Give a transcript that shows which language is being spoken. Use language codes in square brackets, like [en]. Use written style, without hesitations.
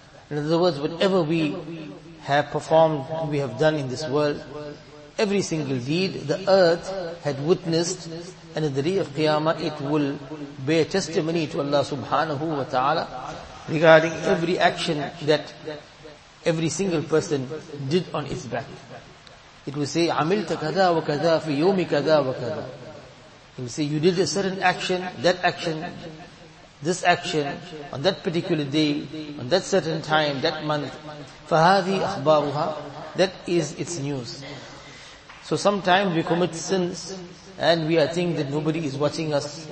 [en] In other words, whatever we have performed, we have done in this world, every single deed the earth had witnessed, and in the day of Qiyamah it will bear testimony to Allah subhanahu wa ta'ala regarding every action that every single person did on its back. It will say, [ar] عَمِلْتَ كَذَا وَكَذَا فِي يَوْمِ كَذَا وَكَذَا. [en] It will say, you did a certain action, that action, this action, on that particular day, on that certain time, that month. [ar] فَهَذِي أَخْبَارُهَا. [en] That is its news. So sometimes we commit sins, and we are thinking that nobody is watching us.